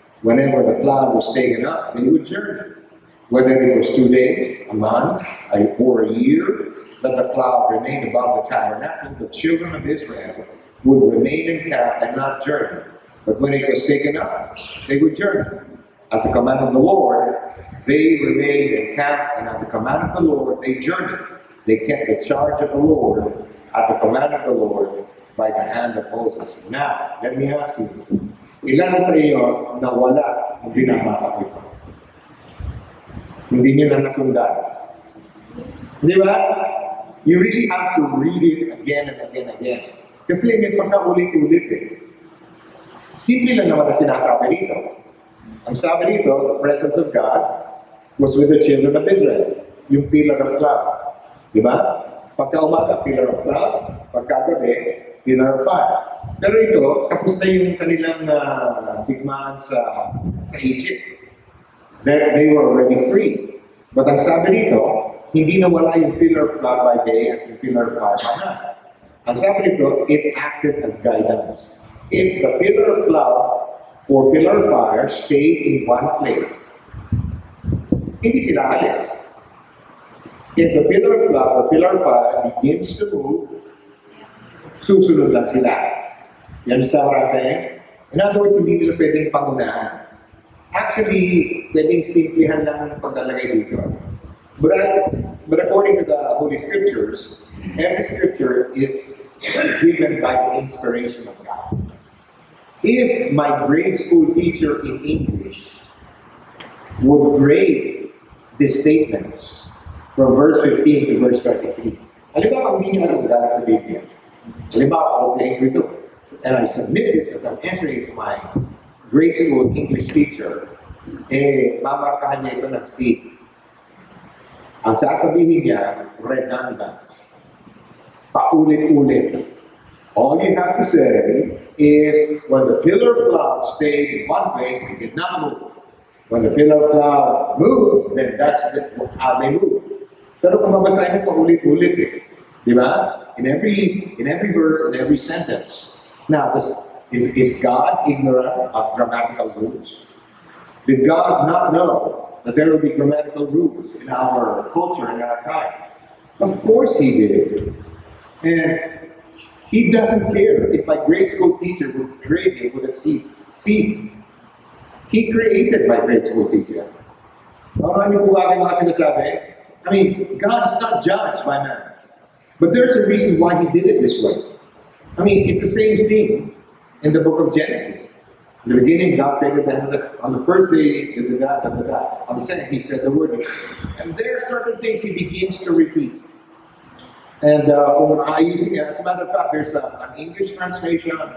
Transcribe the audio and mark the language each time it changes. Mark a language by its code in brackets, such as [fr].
[en] Whenever the cloud was taken up, they would journey. Whether it was 2 days, a month, or a year that the cloud remained above the tabernacle, the children of Israel would remain in camp and not journey. But when it was taken up, they would journey. At the command of the Lord, they remained in camp, and at the command of the Lord, they journeyed. They kept the charge of the Lord at the command of the Lord by the hand of Moses. Now, let me ask you, [tl] ilan sa inyo na wala ang binabasa ko ito? Hindi niyo na nasundan. Di ba? [en] You really have to read it again and again and again. [tl] Kasi may pagkaulit-ulit eh. Simple lang naman ang sinasabi dito. Ang sabi dito, [en] the presence of God was with the children of Israel. [tl] Yung [en] pillar of cloud. [tl] Diba? Pagka umaga, [en] pillar of cloud. [tl] Pagka gabi, [en] pillar of fire. [tl] Pero ito, tapos na yung kanilang digmaan sa Egypt. [en] They were already free. But [tl] ang sabi dito, hindi nawala yung [en] pillar of cloud by day [tl] at yung [en] pillar of fire by night. [tl] Ang sabi dito, [en] it acted as guidance. If the pillar of cloud or pillar of fire stayed in one place, [tl] hindi sila alis. [en] If the pillar of cloud, the pillar of fire begins to move, [tl] susunod lang sila. [en] You understand what I'm saying? In other words, [tl] hindi nila pwedeng pangunahan. Actually, pwedeng simplihan lang ang paglalagay dito. [en] But according to the Holy Scriptures, every scripture is given by the inspiration of God. If my grade school teacher in English would grade the statements from verse 15 to verse 23, [tl] halimbawa, hindi niya alam dahil sa Biblia. Halimbawa, [en] I'll be angry too. And I submit this as an essay to my grade school English teacher, [tl] mamarkahan niya ito ng C. Ang sasabihin niya, redundant. Paulit-ulit. [en] All you have to say is, when the pillar of cloud stayed in one place, they did not move. When the pillar of cloud moved, then that's how they move. [tl] Pero kung mabasahin mo paulit-ulit eh. Diba? [en] In every verse, in every sentence. Now, is God ignorant of grammatical rules? Did God not know that there will be grammatical rules in our culture, in our time? Of course he did. And he doesn't care if my grade school teacher would grade me with a C. C. He created my grade school teacher. [tl] Maraming po bagay mga sinasabi. [en] I mean, God is not judged by man. But there's a reason why he did it this way. I mean, it's the same thing in the book of Genesis. In the beginning, God created the heavens. On the first day, on the second, he said the word. And there are certain things he begins to repeat. And as a matter of fact, there's an English translation.